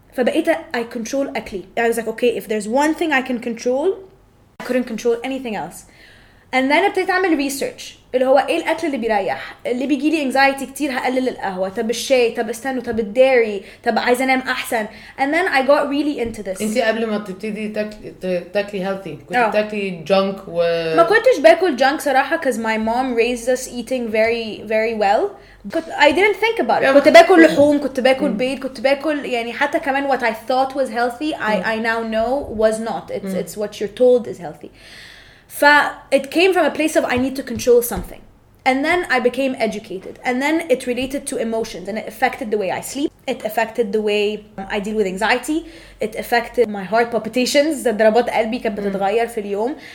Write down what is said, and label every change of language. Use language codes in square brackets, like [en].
[ar] فبقيت [en] I control [ar] أكلي. [en] I was like, okay, if there's one thing I can control, I couldn't control anything else. And then [ar] ابتديت أعمل research. اللي هو إيه الأكل اللي بيريح؟ اللي بيجي لي anxiety كتير هقلل القهوة. طب الشاي. طب استنوا. طب الديري. طب عايز أنام أحسن. [en] And then I got really into this. [ar] أنت قبل ما تبتدي تاكلي healthy. كنت تاكلي junk و... ما كنتش باكل junk صراحة. [en] Because my mom raised us eating very, very well. But I didn't think about it. [ar] كنت باكل لحوم. كنت باكل بيض. كنت باكل يعني حتى كمان [en] what I thought was healthy. I now know was not. It's what you're told is healthy. It came from a place of I need to control something. And then I became educated. And then it related to emotions. And it affected the way I sleep. It affected the way I deal with anxiety. It affected my heart palpitations. [ar] ضربات قلبي كانت بتتغير في اليوم.